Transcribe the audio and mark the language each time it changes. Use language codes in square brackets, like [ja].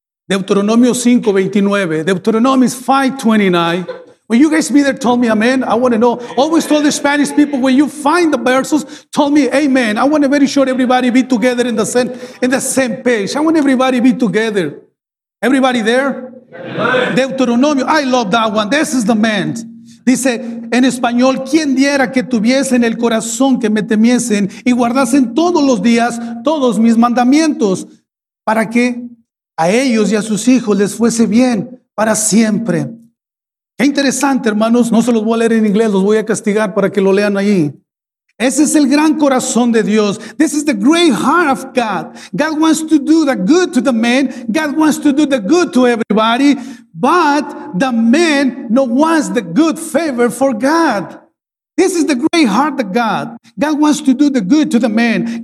[en] Deuteronomy 5:29. When you guys be there, tell me amen. I want to know. Always told the Spanish people, when you find the verses, tell me amen. I want to very sure everybody be together in the same page. I want everybody be together. Everybody there? Deuteronomio, I love that one. This is the man. [es] Dice en español, quien diera que tuviesen el corazón que me temiesen y guardasen todos los días todos mis mandamientos, para que a ellos y a sus hijos les fuese bien para siempre. Qué interesante, hermanos. No se los voy a leer en inglés, los voy a castigar para que lo lean ahí. Ese es el gran corazón de Dios. [en] This is the great heart of God. God wants to do the good to the man. God wants to do the good to everybody. But the man no wants the good favor for God. This is the great heart of God. God wants to do the good to the man.